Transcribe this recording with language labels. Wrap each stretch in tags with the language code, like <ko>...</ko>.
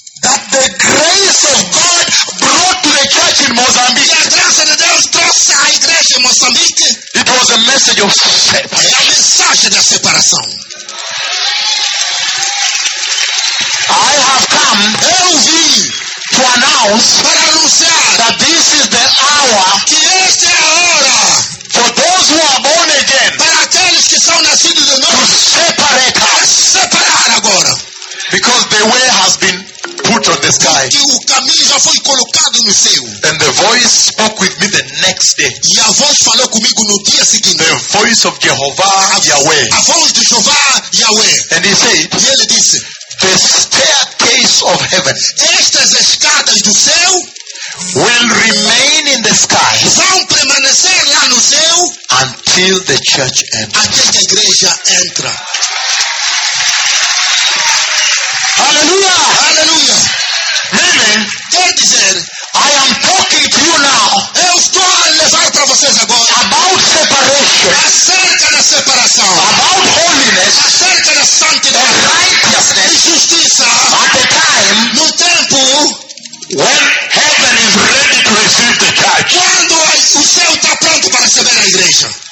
<en>that the grace of God brought to the church in Mozambique.</en> <pt>A graça de Deus trouxe à igreja em Moçambique.</pt> <en>It was a message of separation.</en> <pt>É a mensagem da separação.</pt> <en>I have come.</en> <pt>Eu vim</pt> <en>to announce.</en> <pt>Para anunciar.</pt> <en>That this is the hour.</en> <pt>Que esta é a hora.</pt> <en>For those who are born again.</en> <pt>Para aqueles que são nascidos de novo.</pt> <en>To separate us.</en> <pt>Separar agora.</pt> <en>Because the way has been put on the sky.</en> <pt>Que o caminho já foi colocado no céu.</pt> <en>And the voice spoke with me the next day.</en> <pt>E a voz falou comigo no dia seguinte.</pt> <en>The voice of Jehovah Yahweh.</en> <pt>A voz de Jeová Yahweh.</pt> <en>And he said,</en> <pt>e ele disse,</pt> <en>the staircase of heaven,</en> <pt>estas escadas do céu,</pt> <en>will remain in the sky,</en> <pt>vão permanecer lá no céu,</pt> <en>until the church enters,</en> <pt>até que a igreja entra. Aleluia! Aleluia!</pt> <en>Meaning,</en> <pt>quer dizer,</pt> <en>I am talking to you now.</en> <pt>Eu estou a levar para vocês agora</pt> <en>about separation,</en> <pt>acerca da separação,</pt> <en>about holiness,</en> <pt>acerca da santidade,</pt> <en>righteousness,</en> <pt>e justiça,</pt> <en>at the time,</en> <pt>no tempo,</pt> <en>when heaven is ready to receive the church,</en> <pt>quando o céu está pronto para receber a igreja.</pt>